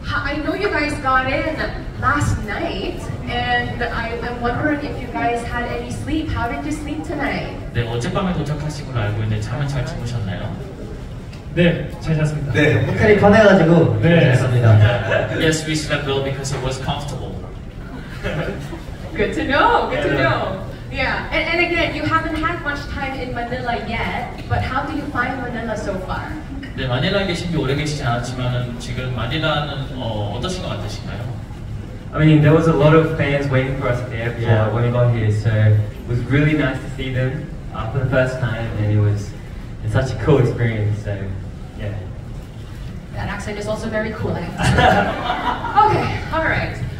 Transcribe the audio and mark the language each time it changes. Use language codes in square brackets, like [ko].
[en] I know you guys got in last night, and I'm wondering if you guys had any sleep. How did you sleep tonight? [ko] 네, 어젯밤에 도착하신 걸 알고 있는데 잠은 잘 주무셨나요? 네, 잘 잤습니다. 네, 호텔이 편해가지고 잘 잤습니다. [en] Yes, we slept well because it was comfortable. Good to know. Good to know. Yeah, and again, you haven't had much time in Manila yet, but how do you find Manila so far? [ko] 네, 마닐라에 계신 지 오래 계시지 않았지만은 지금 마닐라는 어떠신 것 같으신가요? [en] I mean, there was a lot of fans waiting for us at the airport when we got here, so it was really nice to see them for the first time, and it was such a cool experience, so yeah. That accent is also very cool, I have to say. Okay, all right.